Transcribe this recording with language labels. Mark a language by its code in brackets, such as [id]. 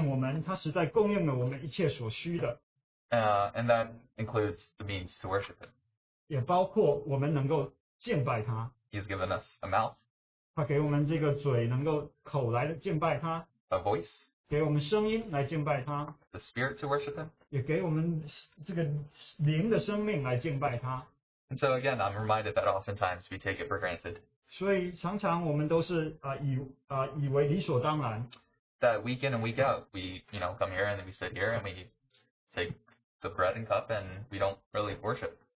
[zh] 这一周里面，主都一直提醒我们，他实在供应了我们一切所需的。 [en] And that includes the means to worship Him. [zh] 也包括我们能够敬拜他。 [en] He has given us a mouth. [zh] 他给我们这个嘴能够口来敬拜他。 [en] A voice. [zh] 给我们声音来敬拜他。 [en] The spirit to worship Him. [zh] 也给我们这个灵的生命来敬拜他。 [en] And so again, I'm reminded that oftentimes we take it for granted. [zh] 所以常常我们都是以为理所当然。 [en] That week in and week out, we, you know, come here and then we sit here and we take the bread and cup and we don't really worship.